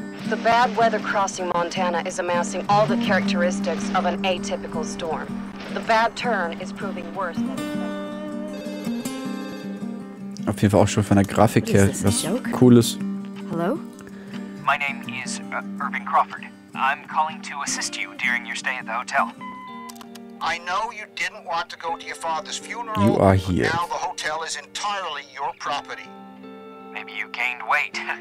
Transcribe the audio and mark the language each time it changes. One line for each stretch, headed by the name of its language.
English: The bad weather crossing Montana is amassing all the characteristics of an atypical storm. The bad turn is proving worse than expected.
German: Auf jeden Fall auch schon von der Grafik her was Cooles.
English: Hello? My name is Irving Crawford. I'm calling to assist you during your stay at the hotel. I know you didn't want to go to your father's funeral. You are here. But now the hotel is entirely your property. Maybe you gained weight.